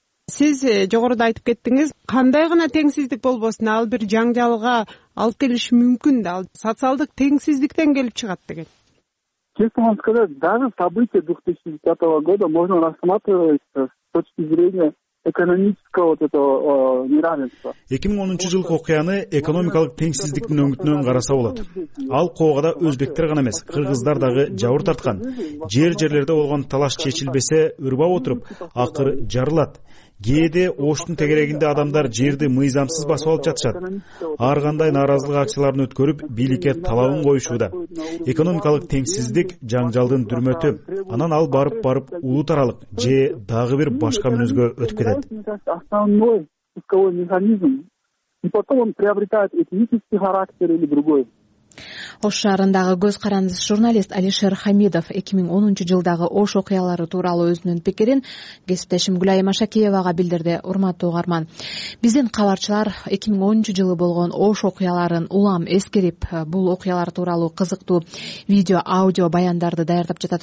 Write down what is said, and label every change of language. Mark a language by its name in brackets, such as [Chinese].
[Kyrgyz] Сиз жогоруда айтып кеттиңиз, кандай гана теңсиздик болбосун, ал бир жаңжалга алып келиши мүмкүн да, ал социалдык теңсиздиктен келип чыгат деген. [Russian] Честно вам сказать, даже события 2010 года можно рассматривать с точки зрения экономического вот этого неравенства. [Kyrgyz] 2010 жылкы окуяны экономикалык теңсиздиктин өңүтүнөн караса болот. Ал коогада өзбектер гана эмес, кыргыздар дагы жабыр тарткан. Жер жерлерде болгон талаш чечилбесе, ырбап отуруп, акыр жарылат. Кээде оштун тегерегинде адамдар жерди мыйзамсыз басып алып жатышат. Ар кандай нааразылык акцияларын өткөрүп, бийликке талабын коюшууда. Экономикалык теңсиздик жаңжалдын дүрмөтү. Анан ал барып-барып улут аралык же дагы бир башка мүнөзгө өтүп кетет. [Russian] Основной исковой механизм. И потом он приобретает этнический характер или другой. [Kyrgyz] Ош шаарындагы көз каранды журналист Алишер Хамидов 2010 жылдагы Ош окуялары тууралуу өзүнүн пикирин кесиптешим Гүлайыма Шакеевага билдирди. Урматтуу угарман, биздин кабарчылар 2010 жылы болгон Ош окуяларын улам эскерип, бул окуялар тууралуу кызыктуу видео, аудио баяндарды даярдап жатат.